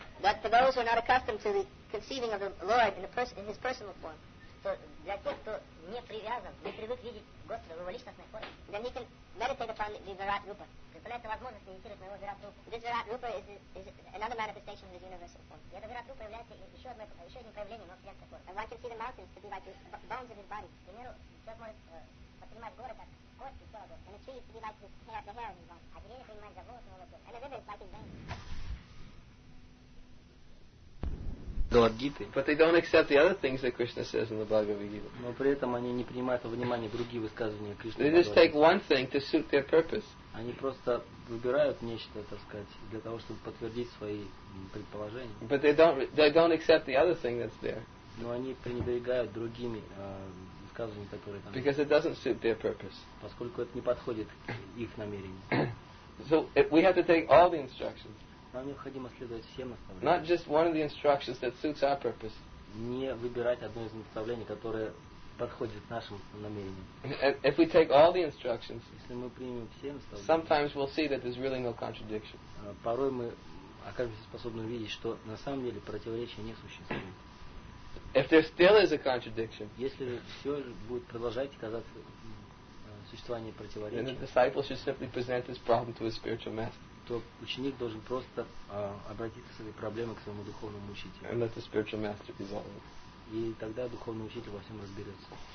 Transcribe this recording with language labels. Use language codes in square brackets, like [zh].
[en] That for those who are not accustomed to the conceiving of the Lord in his personal form. [ru] Для тех, кто не привязан, не привык видеть Господа в его личностной форме. [en] Then he can meditate upon the Virat Rupa. [ru] Представляется возможность медитировать на его Virat Rupa. [en] This Virat Rupa is another manifestation of his universal form. [ru] И эта Virat Rupa является еще одним проявлением его вселенской формы. [en] And one can see the mountains to be like the bones of his body. [ru] К примеру, человек может воспринимать горы как кости тела Господа. [en] And the trees to be like the hair of his body. [ru] А деревья принимают за волосы его Господа. [en] And the river is like his veins. But they don't accept the other things that Krishna says in the Bhagavad Gita. [ru] Но при этом они не принимают во внимание другие высказывания Кришны. [en] They just take one thing to suit their purpose. [ru] Они просто выбирают нечто, так сказать, для того, чтобы подтвердить свои предположения. [en] But they don't accept the other thing that's there. [ru] Но они пренебрегают другими высказываниями, которые там. [en] Because it doesn't suit their purpose. [ru] Поскольку это не подходит их намерениям. [en] So we have to take all the instructions. [ru] Нам необходимо следовать всем наставлениям. [en] Not just one of the instructions that suits our purpose. [ru] Не выбирать одно из наставлений, которое подходит нашим намерениям. [en] If we take all the instructions, [ru] если мы примем все наставления, [en] sometimes we'll see that there's really no contradiction. [ru] Порой мы окажемся способны увидеть, что на самом деле противоречия не существует. [en] If there still is a contradiction, [ru] если все будет продолжать казаться существование противоречия, [en] then the disciple should simply present this problem to his spiritual master. [ru] То ученик должен просто обратиться с этой проблемой к своему духовному учителю. [en] And let the spiritual master resolve it. [ru] И тогда духовный учитель во всем разберется.